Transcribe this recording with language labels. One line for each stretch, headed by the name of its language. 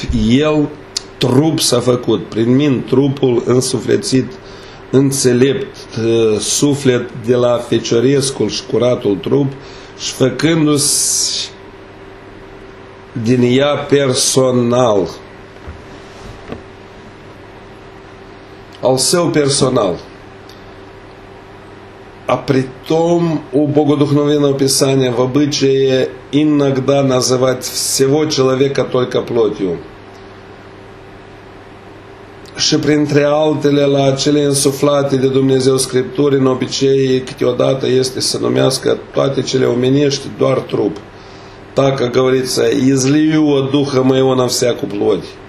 Romanian: El trup s-a făcut, prin min trupul însuflețit, înțelept suflet de la feciorescul și curatul trup și făcându-se din ea personal, al său personal.
Russian: А при том у Богодухновенного Писания в обычае иногда называть всего человека только плотью.
Romanian: Și printre altele la cele însuflate de Dumnezeu Scripturi, în obicei, câteodată este să numească toate cele omenești doar trup.
Russian: Так, как говорится, излию от Духа моего на всяку плоть.